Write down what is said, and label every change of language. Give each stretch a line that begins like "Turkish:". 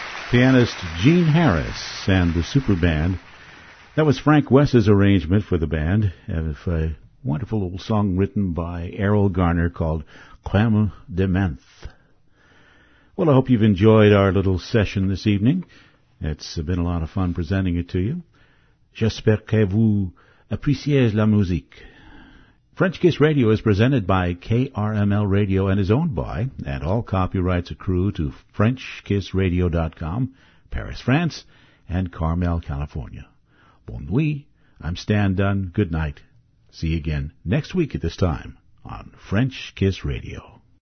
English: pianist Gene Harris and the Super Band. That was Frank West's arrangement for the band, and a wonderful old song written by Errol Garner called Clame de Menthe. Well, I hope you've enjoyed our little session this evening. It's been a lot of fun presenting it to you.
French: J'espère que vous appréciez la musique.
English: French Kiss Radio is presented by KRML Radio and is owned by, and all copyrights accrue to FrenchKissRadio.com, Paris, France, and Carmel, California.
French: Bonne nuit.
English: I'm Stan Dunn. Good night. See you again next week at this time on French Kiss Radio.